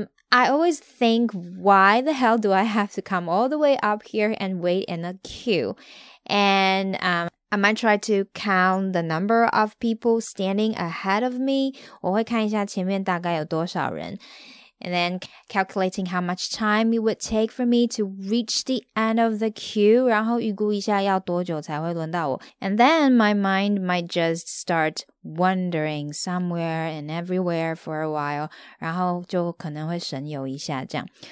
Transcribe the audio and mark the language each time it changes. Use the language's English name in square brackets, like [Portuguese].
[English] I always think, why the hell do I have to come all the way up here and wait in a queue? And I might try to count the number of people standing ahead of me. [Chinese] 我会看一下前面大概有多少人。 [English] And then calculating how much time it would take for me to reach the end of the queue. [Chinese] 然后预估一下要多久才会轮到我。 [English] And then my mind might just start wandering somewhere and everywhere for a while. [Chinese] 然后就可能会神游一下这样。